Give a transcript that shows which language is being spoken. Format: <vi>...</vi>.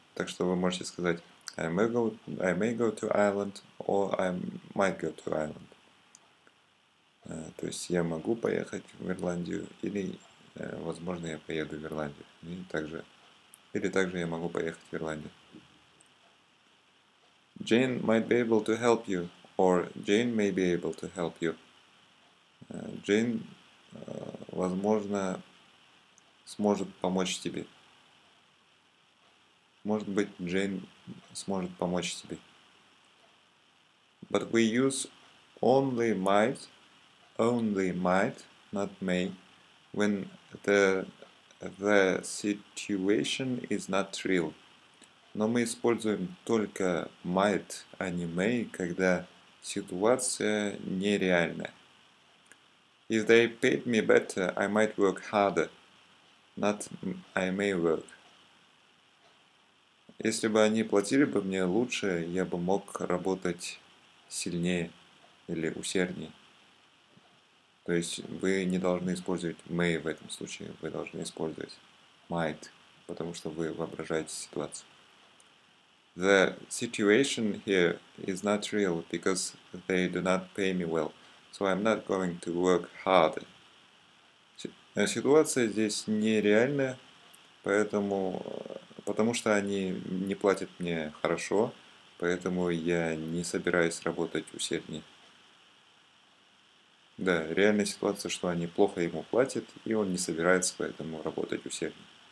<ru>Так что вы можете сказать</ru> <en>I may go to Ireland or I might go to Ireland.</en> <ru>То есть я могу поехать в Ирландию, или, возможно, я поеду в Ирландию. Или также я могу поехать в Ирландию.</ru> <en>Jane might be able to help you, or Jane may be able to help you.</en> <ru>Jane, возможно, сможет помочь тебе. Может быть, Jane сможет помочь тебе.</ru> <en>But we use only might. Only might, not may, when the situation is not real.</en> <ru>Но мы используем только might, а не may, когда ситуация нереальная.</ru> <en>If they paid me better, I might work harder, not I may work.</en> <ru>Если бы они платили бы мне лучше, я бы мог работать сильнее или усерднее. То есть вы не должны использовать may в этом случае, вы должны использовать might, потому что вы воображаете ситуацию.</ru> <en>The situation here is not real, because they do not pay me well, so I'm not going to work hard.</en> <ru>Ситуация здесь нереальная, потому что они не платят мне хорошо, поэтому я не собираюсь работать усерднее. Да, реальная ситуация, что они плохо ему платят, и он не собирается поэтому работать усерднее.</ru>